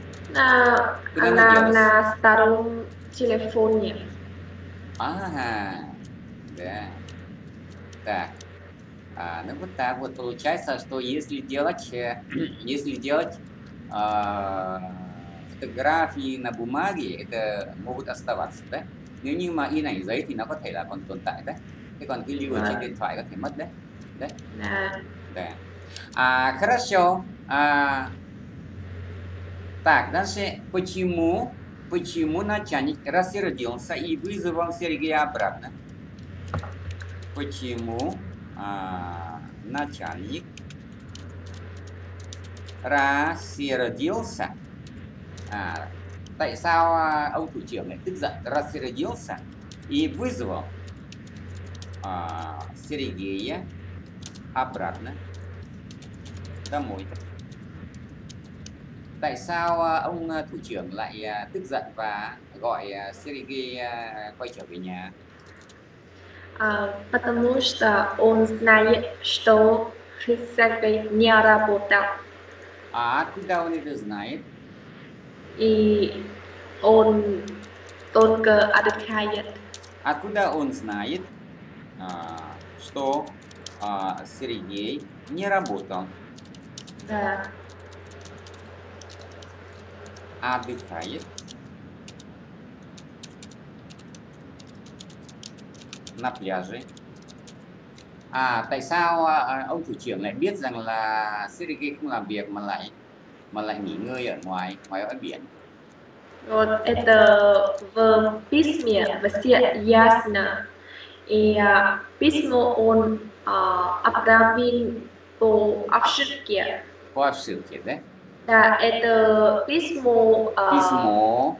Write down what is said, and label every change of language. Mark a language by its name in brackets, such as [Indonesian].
[Russian] На старом телефоне. Да. Так. Ну вот так вот получается, что если делать фотографии на бумаге, это могут оставаться, да? [Vietnamese] Nếu như mà in ảnh giấy thì nó có thể là còn tồn tại, да? Thế còn cái lưu ở trên điện thoại có thể mất, да? [Russian] Да. Да. Хорошо. Так, дальше, почему начальник рассердился и вызвал Сергея обратно? Почему начальник рассердился? [Vietnamese] Tại sao ông thủ trưởng lại tức giận? [Russian] Rассердился и вызвал Сергея обратно домой. [Vietnamese] Tại sao ông thủ trưởng lại tức giận và gọi Сергея quay trở về nhà? [Russian] Потому что он знает, что Сергей не работал. А откуда он это знает? И он только отдыхает. Откуда он знает, что Сергей не работал? Да. Отдыхает. На пляже. [Vietnamese] А, tại sao ông thủ trưởng lại biết rằng là Сергей không làm việc mà lại nghỉ ngơi ở ngoài ở biển? [Russian] Вот это в письме все ясно. И письмо он отправил по ошибке. По ошибке, да? Да, это письмо. Письмо.